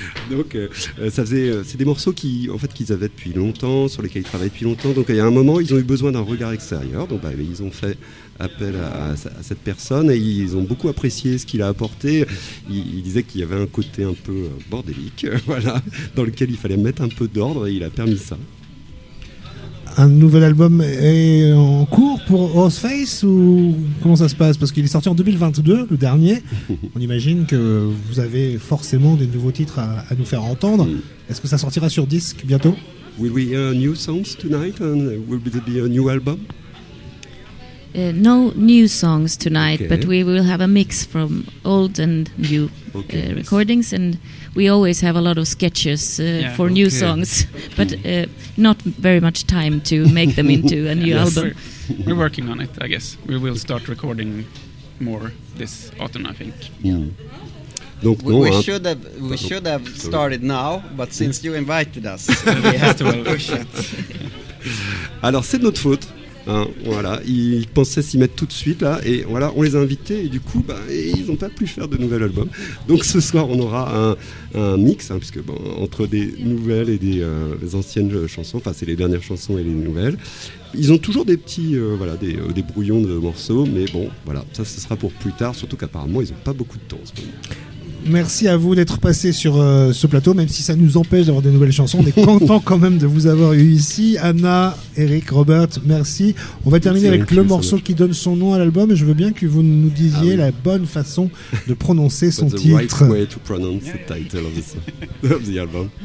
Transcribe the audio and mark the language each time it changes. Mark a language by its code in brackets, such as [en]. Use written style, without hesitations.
[fr] Donc ça faisait c'est des morceaux qui en fait qu'ils avaient depuis longtemps, sur lesquels ils travaillaient depuis longtemps, donc il y a un moment ils ont eu besoin d'un regard extérieur, donc ils ont fait appel à cette personne et ils ont beaucoup apprécié ce qu'il a apporté. Il disait qu'il y avait un côté un peu bordélique, dans lequel il fallait mettre un peu d'ordre, et il a permis ça. Un nouvel album est en cours pour Horseface, ou comment ça se passe? Parce qu'il est sorti en 2022, le dernier. On imagine que vous avez forcément des nouveaux titres à nous faire entendre. Est-ce que ça sortira sur disque bientôt? [en] Will we hear new songs tonight? And will there be a new album? No new songs tonight, but we will have a mix from old and new recordings, and we always have a lot of sketches for new songs, but not very much time to make them into a new album. We're working on it, I guess. We will start recording more this autumn, I think. Donc we should have started now, but since you invited us, we have to push it. [fr] Alors c'est de notre faute. Ils pensaient s'y mettre tout de suite là, et on les a invités, et du coup ils n'ont pas pu faire de nouvel album. Donc ce soir on aura un mix, puisque entre des nouvelles et des anciennes chansons, enfin c'est les dernières chansons et les nouvelles. Ils ont toujours des petits des brouillons de morceaux, mais ça ce sera pour plus tard, surtout qu'apparemment ils n'ont pas beaucoup de temps en ce moment. Merci à vous d'être passé sur ce plateau, même si ça nous empêche d'avoir des nouvelles chansons. On est content quand même de vous avoir eu ici. Anna, Eric, Robert, merci. On va terminer avec le morceau qui donne son nom à l'album. Et je veux bien que vous nous disiez la bonne façon de prononcer son titre. [en] The right way to pronounce the title of the album.